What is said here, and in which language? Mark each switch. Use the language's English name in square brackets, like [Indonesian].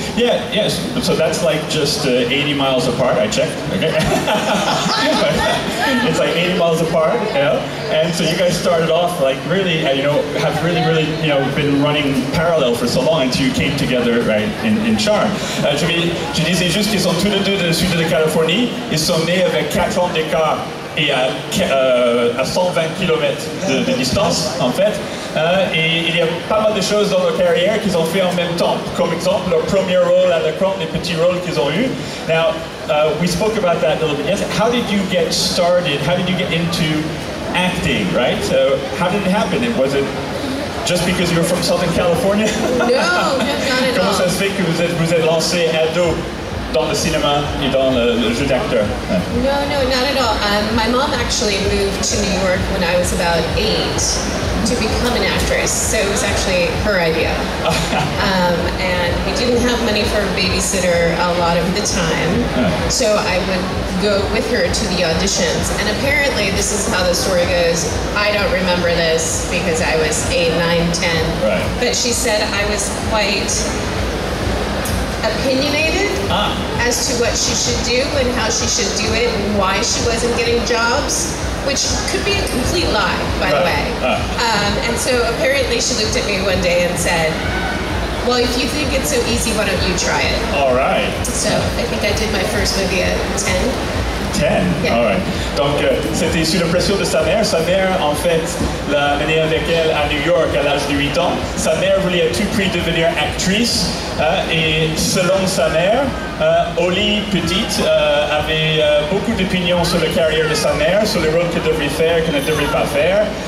[English] Yeah, yes. So that's like just 80 miles apart, I checked. Okay. It's like 80 miles apart, yeah. And so you guys started off like really, you know, have really, really, you know, been running parallel for so long until you came together, right, in Charm. [French] Je disais juste qu'ils sont tous les deux du sud de la Californie. Ils sont nés avec 4 ans d'écart et à 120 km de distance, en fait. Et il y a pas mal de choses dans leur carrière qu'ils ont fait en même temps. Comme exemple, leur premier rôle à l'écran, les petits rôles qu'ils ont eus. [English] Now, we spoke about that a little bit. Yes, how did you get started? How did you get into acting, right? So how did it happen? Was it just because you were from Southern California? No, that's not at all. [French] Comment ça se fait que vous êtes lancé ado dans le cinéma et dans le jeu d'acteur? [English] No, not at all. My mom actually moved to New York when I was about 8 to become an actress, so it was actually her idea. And we didn't have money for a babysitter a lot of the time, so I would go with her to the auditions. And apparently, this is how the story goes, I don't remember this because I was 8, 9, 10, right. But she said I was quite opinionated as to what she should do and how she should do it and why she wasn't getting jobs, which could be a complete lie, by the way. And so apparently she looked at me one day and said, well, if you think it's so easy, why don't you try it? All right. So I think I did my first movie at 10. 10? Yeah. All right. [French] Donc, c'était sous la pression de sa mère. Sa mère, en fait, l'a amené avec elle à New York à l'âge de 8 ans. Sa mère voulait à tout prix devenir actrice. Et selon sa mère, Oli, petite, avait beaucoup d'opinions sur la carrière de sa mère, sur les rôles qu'elle devrait faire, qu'elle ne devrait pas faire.